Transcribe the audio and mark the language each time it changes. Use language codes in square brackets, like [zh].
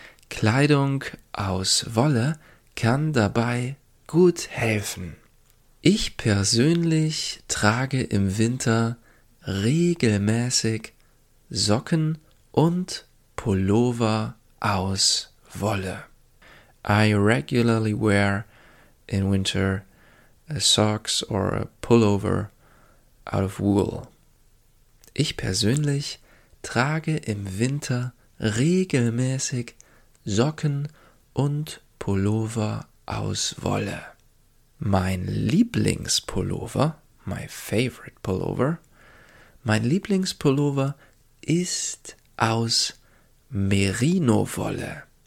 [de] Kleidung aus Wolle kann dabei gut helfen. Ich persönlich trage im Winter regelmäßig Socken und Pullover aus Wolle. [en] I regularly wear in winter, socks or a pullover out of wool. [de] Ich persönlich trage im Winter regelmäßig Socken und Pullover aus Wolle. Mein Lieblingspullover, [en] my favorite pullover, [de] mein Lieblingspullover ist aus Merino-Wolle.